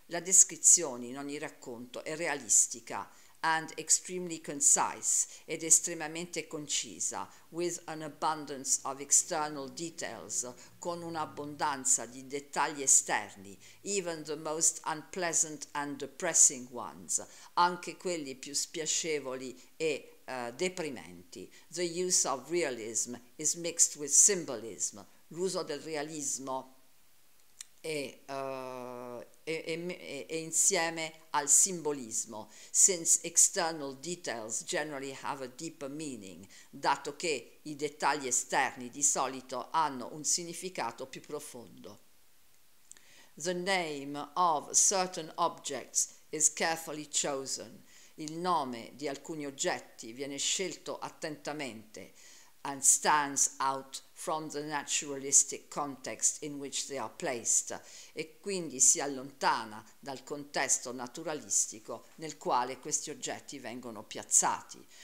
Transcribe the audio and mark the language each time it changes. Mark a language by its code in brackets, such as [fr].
[it] La descrizione in ogni racconto è realistica [en] and extremely concise [it] ed estremamente concisa, [en] with an abundance of external details, [it] con un'abbondanza di dettagli esterni, [en] even the most unpleasant and depressing ones, [it] anche quelli più spiacevoli e deprimenti. [en] The use of realism is mixed with symbolism. [it] L'uso del realismo è insieme al simbolismo, [en] since external details generally have a deeper meaning, [it] dato che i dettagli esterni di solito hanno un significato più profondo. [en] The name of certain objects is carefully chosen. [it] Il nome di alcuni oggetti viene scelto attentamente [en] and stands out from the naturalistic context in which they are placed, [it] e quindi si allontana dal contesto naturalistico nel quale questi oggetti vengono piazzati.